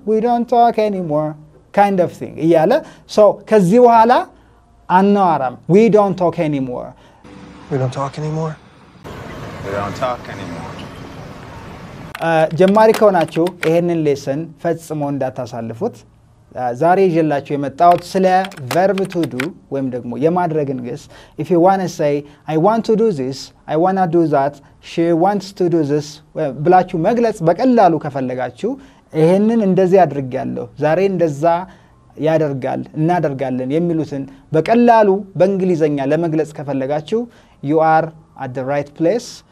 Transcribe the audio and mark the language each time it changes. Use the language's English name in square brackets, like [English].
[English] We don't talk anymore kind of thing. [Amharic] ይያለ [English] so [Amharic] ከዚ በኋላ አናወራም. [English] We don't talk anymore. We don't talk anymore. We don't talk anymore. [Amharic] ጀማሪ ከሆናችሁ ይሄንን lesson ፈጽሞ እንዳታሳልፉት. ዛሬ ይዤላችሁ የመጣሁት ስለ verb to do ወይም ደግሞ የማድረግ ንግስ. [English] If you want to say I want to do this, [Amharic] I want to do that, she wants to do this, ብላችሁ መግለጽ በቀላሉ ከፈለጋችሁ ይሄንን እንደዚህ አድርጋለሁ, ዛሬ እንደዛ ያደርጋል, እናደርጋለን የሚሉትን በቀላሉ በእንግሊዘኛ ለመግለጽ ከፈለጋችሁ [English] you are at the right place.